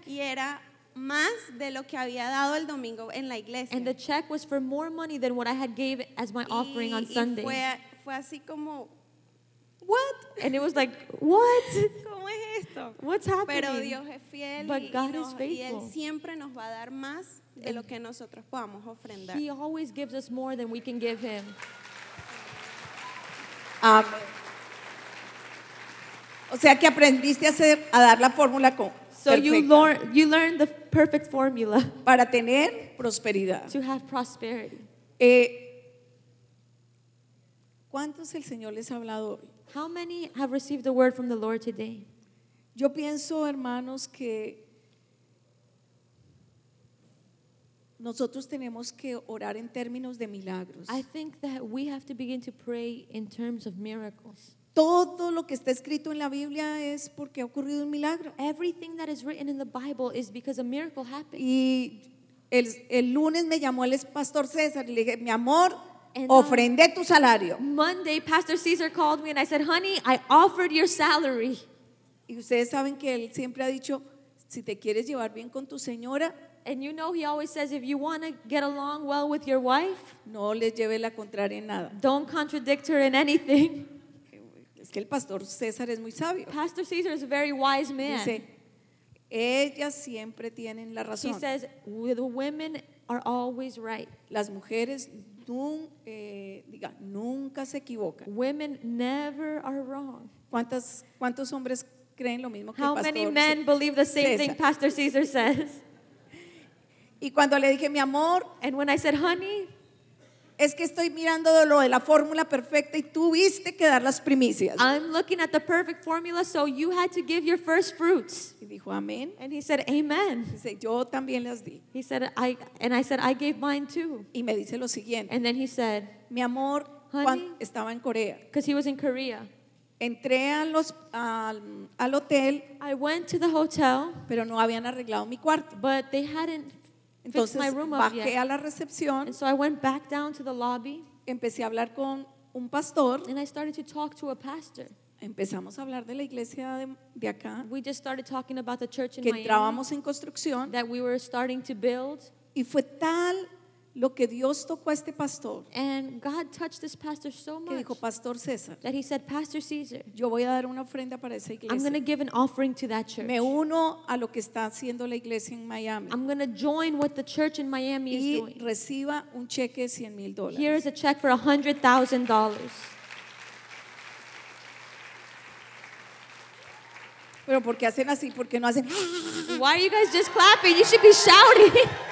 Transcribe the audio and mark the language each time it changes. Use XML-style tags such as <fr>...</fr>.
<es>Y era más de lo que había dado el domingo en la iglesia.</es> <en>And the check was for more money than what I had gave as my offering on Sunday.</en> <es>Y fue así como,</es> <en>what? And it was like, what?</en> <es>¿Cómo es esto?</es> <en>What's happening?</en> <es>Pero Dios es fiel.</es> <en>But God is faithful.</en> <es>Y Él siempre nos va a dar más de lo que nosotros podamos ofrendar.</es> <en>He always gives us more than we can give Him.</en> <es>O sea que aprendiste a dar la fórmula con.</es> <en>So you learned the perfect formula</en> <es>para tener prosperidad.</es> <en>To have prosperity.</en> <es>¿Cuántos el Señor les ha hablado hoy?</es> <en>How many have received the word from the Lord today?</en> <es>Yo pienso, hermanos, que nosotros tenemos que orar en términos de milagros.</es> <en>I think that we have to begin to pray in terms of miracles.</en> <es>Todo lo que está escrito en la Biblia es porque ha ocurrido un milagro.</es> <en>Everything that is written in the Bible is because a miracle happened.</en> <es>Y el lunes me llamó el pastor César y le dije, mi amor, ofrendé tu salario.</es> <en>Monday, Pastor Caesar called me and I said, honey, I offered your salary.</en> <es>Y ustedes saben que él siempre ha dicho, si te quieres llevar bien con tu señora.</es> <en>And you know he always says, if you want to get along well with your wife,</en> <es>no le lleve la contraria en nada.</es> <en>Don't contradict her in anything.</en> <es>Es que el pastor César es muy sabio.</es> <en>Pastor Caesar is a very wise man.</en> <es>Dice, ellas siempre tienen la razón.</es> <en>He says, the women are always right.</en> <es>Las mujeres nunca se equivocan.</es> <en>Women never are wrong.</en> <es>¿Cuántos hombres creen lo mismo que</es> <en>How</en> <es>el pastor?</es> <en>How many men believe the same</en> <es>César.</es> <en>Thing Pastor Caesar says?</en> <es>Y cuando le dije, mi amor,</es> <en>and when I said, honey,</en> <es>es que estoy mirando lo de la fórmula perfecta y tuviste que dar las primicias.</es> <en>I'm looking at the perfect formula, so you had to give your first fruits.</en> <es>Y dijo, amén.</es> <en>And he said, amen.</en> <es>Dice, yo también las di.</es> <en>He said, I gave mine too.</en> <es>Y me dice lo siguiente.</es> <en>And then he said,</en> <es>mi amor,</es> <en>honey,</en> <es>cuando estaba en Corea.</es> <en>Because he was in Korea.</en> <es>Entré al hotel.</es> <en>I went to the hotel.</en> <es>Pero no habían arreglado mi cuarto.</es> <en>But they hadn't.</en> <es>Entonces</es> <en>my room</en> <es>bajé</es> <en>yet.</en> <es>A la recepción.</es> <en>And so I went back down to the lobby.</en> <es>Empecé a hablar con un pastor.</es> <en>And I started to talk to a pastor.</en> <es>Empezamos a hablar de la iglesia de acá.</es> <en>We just started talking about the church in</en> <es>que</es> <en>Miami.</en> <es>Que entrábamos en construcción.</es> <en>That we were starting to build.</en> <es>Y fue tal lo que Dios tocó a este pastor.</es> <en>And God touched this pastor so much.</en> <es>Que dijo, Pastor César.</es> <en>That he said, Pastor Caesar.</en> <es>Yo voy a dar una ofrenda para esa iglesia.</es> <en>I'm going to give an offering to that church.</en> <es>Me uno a lo que está haciendo la iglesia en Miami.</es> <en>I'm going to join what the church in Miami is doing.</en> <es>Y reciba un cheque de $100,000.</es> <en>Here is a check for $100,000.</en> <es>Pero ¿por qué hacen así? ¿Por qué no hacen?</es> <en>Why are you guys just clapping? You should be shouting.</en>